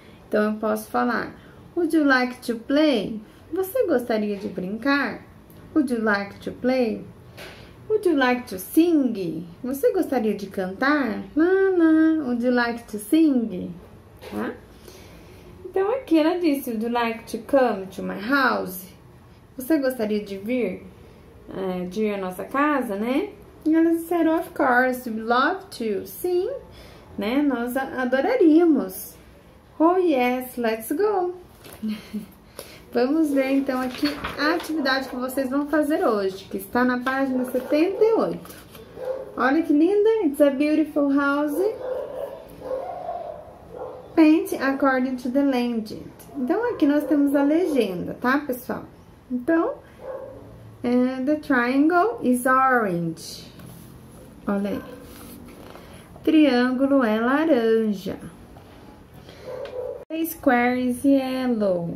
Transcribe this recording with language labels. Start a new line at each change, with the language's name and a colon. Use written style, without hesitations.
Portuguese: Então, eu posso falar,
English: would you like to play?
Portuguese: Você gostaria de brincar?
English: Would you like to play? Would you like to sing?
Portuguese: Você gostaria de cantar?
English: Nana, would you like to sing? Tá?
Portuguese: Então, aqui ela disse,
English: would you like to come to my house?
Portuguese: Você gostaria de vir, à nossa casa, né? E elas disseram,
English: of course, we'd love to.
Portuguese: Sim, né? Nós adoraríamos.
English: Oh, yes, let's go.
Portuguese: Vamos ver, então, aqui a atividade que vocês vão fazer hoje, que está na página 78. Olha que linda,
English: it's a beautiful house. Paint according to the legend.
Portuguese: Então, aqui nós temos a legenda, tá, pessoal?
English: Então, the triangle is orange.
Portuguese: Olha aí. Triângulo é laranja.
English: The square is yellow.